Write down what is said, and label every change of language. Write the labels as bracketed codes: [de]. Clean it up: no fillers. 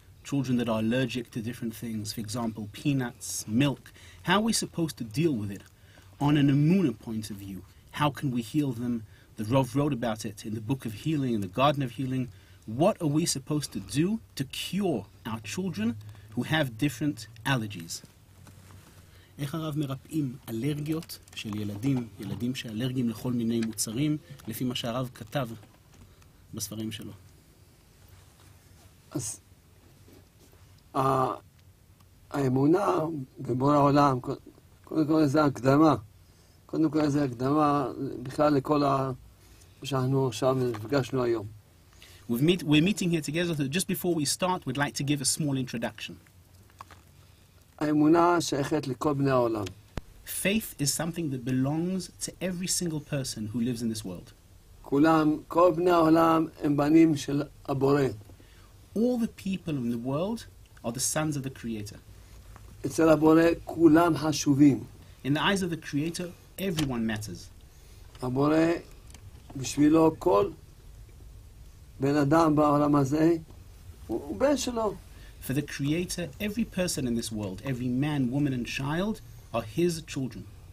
[en] Children that are allergic to different things, for example, peanuts, milk. How are we supposed to deal with it? On an Emuna point of view, how can we heal them? The Rav wrote about it in the Book of Healing, in the Garden of Healing. What are we supposed to do to cure our children who have different allergies? [he] איך הרב מרפאים אלרגיות של ילדים, ילדים שאלרגיים לכל מיני מוצרים, לפי מה שהרב כתב בספרים שלו? אז האמונה בבורא העולם, קודם כל איזה הקדמה, קודם כל איזה הקדמה בכלל לכל מה שאנחנו עכשיו נפגשנו היום. [en] We're meeting here together, so just before we start, we'd like to give a small introduction. [he] האמונה שייכת לכל בני העולם. [en] Faith is something that belongs to every single person who lives in this world. [he] כולם, כל בני העולם הם בנים של הבורא. [en] All the people in the world are the sons of the Creator. [he] אצל הבורא כולם חשובים. [en] In the eyes of the Creator, everyone matters. [he] הבורא בשבילו כל בן אדם בעולם הזה הוא בן שלו. [en] For the Creator, every person in this world, every man, woman, and child, are His children.